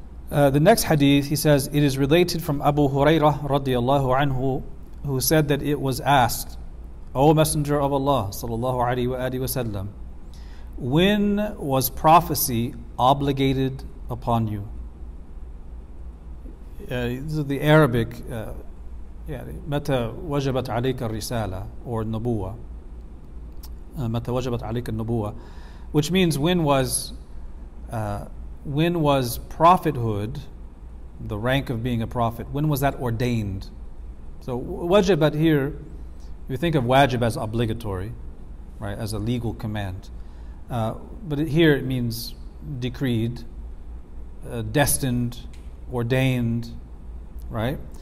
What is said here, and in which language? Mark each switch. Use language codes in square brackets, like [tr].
[en] The next hadith, he says, it is related from Abu Hurairah radiallahu anhu, who said that it was asked, O Messenger of Allah sallallahu alaihi wasallam, when was prophecy obligated upon you? This is the Arabic, [ar] متى وجبت عليك الرسالة [en] or [ar] النبوة. Matawajabat alika nubuwa, [en] which means when was prophethood, the rank of being a prophet, when was that ordained? So wajibat here, you think of wajib as obligatory, right, as a legal command, but here it means decreed, destined, ordained, right?